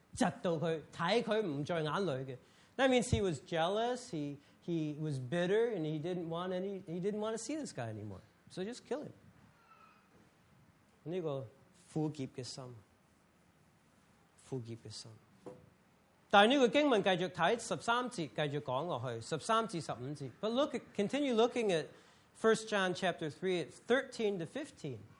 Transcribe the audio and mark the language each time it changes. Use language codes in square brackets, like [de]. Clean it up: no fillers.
[zh] 即是恨他的,妒忌他,嫉妒他,看他不在眼裡的. [en] That means he was jealous, he was bitter, and he didn't want to see this guy anymore. So just kill him. [zh] 這個苦結的心。苦結的心。但这个经文继续看13节,继续讲下去,13至15节. [en] But look, continue looking at 1 John chapter 3, it's 13 to 15.